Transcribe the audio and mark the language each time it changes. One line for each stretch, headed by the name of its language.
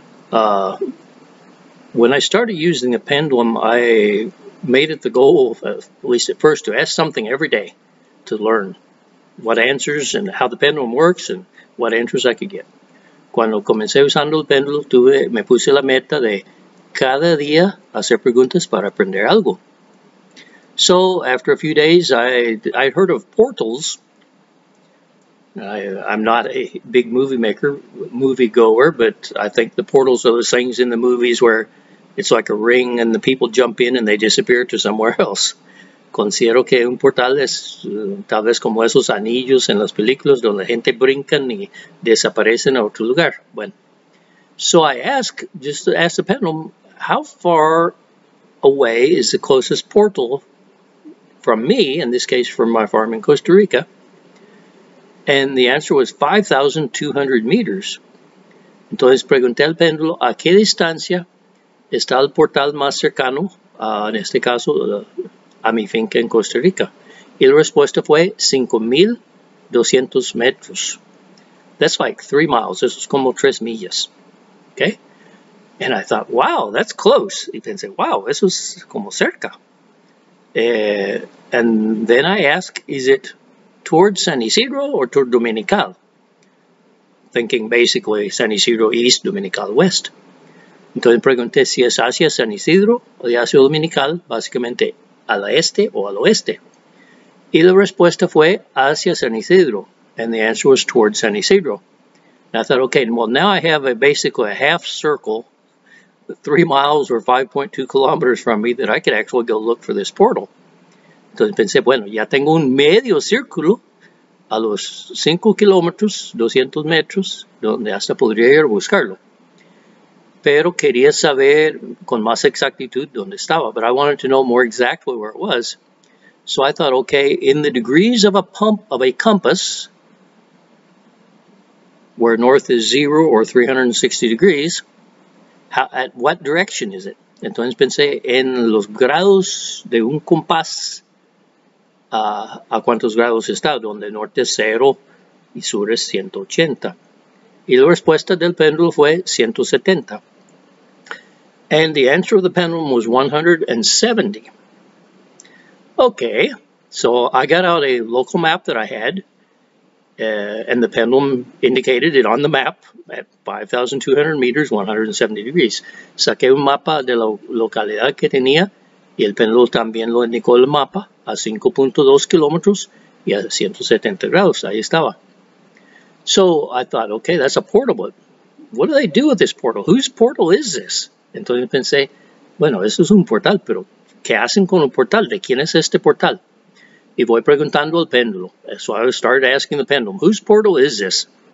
English: When I started using the pendulum, I made it the goal, at least at first, to ask something every day. To learn what answers and how the pendulum works and what answers I could get.
Spanish: Cuando comencé usando el péndulo, me puse la meta de cada día hacer preguntas para aprender algo.
English: So after a few days, I heard of portals. I'm not a big movie goer, but I think the portals are those things in the movies where it's like a ring and the people jump in and they disappear to somewhere else.
Spanish: Considero que un portal es tal vez como esos anillos en las películas donde la gente brinca y desaparece en otro lugar.
English: Bueno, so I ask, just to ask the pendulum, how far away is the closest portal from me, in this case from my farm in Costa Rica? And the answer was 5,200 meters.
Spanish: Entonces pregunté al pendulo, ¿a qué distancia está el portal más cercano, en este caso, a mi finca en Costa Rica? Y la respuesta fue 5,200 metros.
English: That's like 3 miles.
Spanish: Eso es como 3 millas.
English: Okay? And I thought, wow, that's close.
Spanish: Y pensé, wow, eso es como cerca.
English: And then I ask, is it towards San Isidro or toward Dominical? Thinking basically San Isidro east, Dominical west.
Spanish: Entonces pregunté si es hacia San Isidro o hacia Dominical, básicamente al este o al oeste. Y la respuesta fue hacia San Isidro.
English: And the answer was towards San Isidro. And I thought, okay, well, now I have basically a half circle, 3 miles or 5.2 kilometers from me, that I could actually go look for this portal.
Spanish: Entonces pensé, bueno, ya tengo un medio círculo a los 5 kilómetros, 200 metros, donde hasta podría ir a buscarlo. Pero quería saber con más exactitud dónde estaba.
English: But I wanted to know more exactly where it was. So I thought, okay, in the degrees of a pump of a compass, where north is zero or 360 degrees, at what direction is it?
Spanish: Entonces pensé, en los grados de un compás, ¿a cuántos grados está? Donde norte es cero y sur es 180. Y la respuesta del péndulo fue 170.
English: And the answer of the pendulum was 170. Okay, so I got out a local map that I had, and the pendulum indicated it on the map at 5,200 meters, 170 degrees.
Spanish: Saqué un mapa de la localidad que tenía, y el pendulum también lo indicó el mapa a 5.2 kilómetros y a 170 grados. Ahí estaba.
English: So I thought, okay, that's a portal, but what do they do with this portal? Whose portal is this?
Spanish: Entonces pensé, bueno, eso es un portal, pero ¿qué hacen con el portal? ¿De quién es este portal? Y voy preguntando al péndulo.
English: So I started asking the pendulum, whose portal is this?